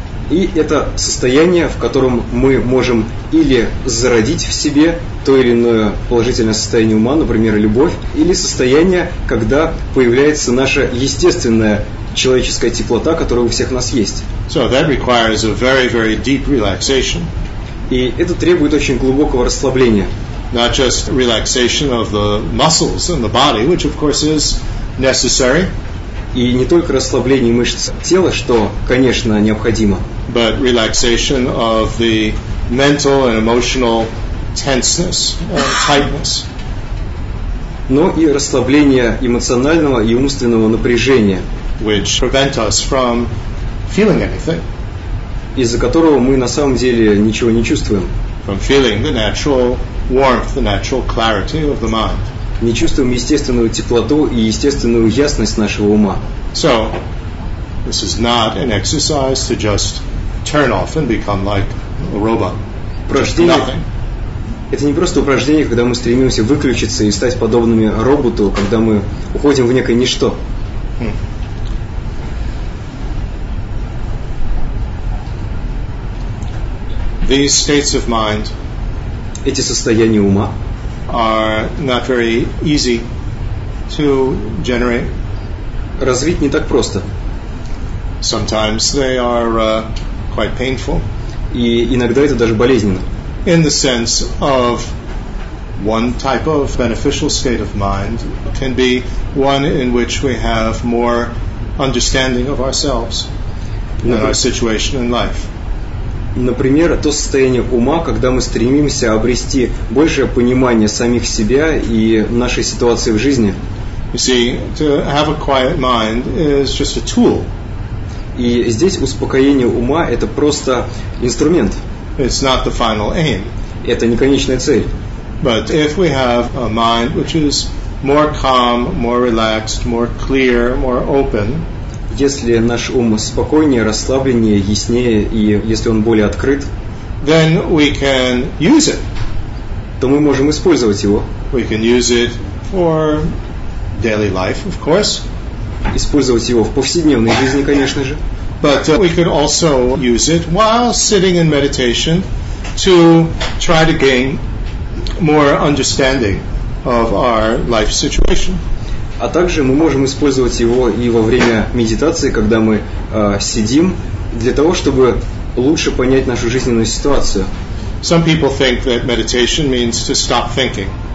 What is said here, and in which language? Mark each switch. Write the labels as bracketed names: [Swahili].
[Russian] И это состояние, в котором мы можем или зародить в себе то или иное положительное состояние ума, например, любовь, или состояние, когда появляется наша естественная человеческая теплота, которая у всех нас есть. [English] So that requires a very, very deep relaxation. [Russian] И это требует очень глубокого расслабления. [English] Not just relaxation of the muscles and the body, which of course is necessary. [Russian] И не только расслабление мышц тела, что, конечно, необходимо. [English] But relaxation of the mental and emotional tenseness and tightness. [Russian] Но и расслабление эмоционального и умственного напряжения. [English] Which prevent us from feeling anything. [Russian] Из-за которого мы на самом деле ничего не чувствуем. [English] From feeling the natural warmth, the natural clarity of the mind. [Russian] Не чувствуем естественную теплоту и естественную ясность нашего ума. [English] So, this is not an exercise to just turn off and become like a robot. [Russian] Упражнение. [English] Nothing. [Russian] Это не просто упражнение, когда мы стремимся выключиться и стать подобными роботу, когда мы уходим в некое ничто. [English] These states of mind, [Russian] эти состояния ума, [English] are not very easy to generate. [Russian] Развить не так просто. [English] Sometimes they are quite painful. [Russian] И иногда это даже болезненно. [English] In the sense of one type of beneficial state of mind can be one in which we have more understanding of ourselves and our situation in life. [Russian] Например, то состояние ума, когда мы стремимся обрести большее понимание самих себя и нашей ситуации в жизни. [English] You see, to have a quiet mind is just a tool. [Russian] И здесь успокоение ума – это просто инструмент. [English] It's not the final aim. [Russian] Это не конечная цель. [English] But if we have a mind which is more calm, more relaxed, more clear, more open, [Russian] если наш ум спокойнее, расслабленнее, яснее, и если он более открыт, [English] then we can use it. [Russian] То мы можем использовать его. [English] We can use it for daily life, of course. [Russian] Использовать его в повседневной жизни, конечно же. [English] But we could also use it while sitting in meditation to try to gain more understanding of our life situation. [Russian] А также мы можем использовать его и во время медитации, когда мы сидим, для того, чтобы лучше понять нашу жизненную ситуацию. [English] Some people think that meditation means to stop thinking.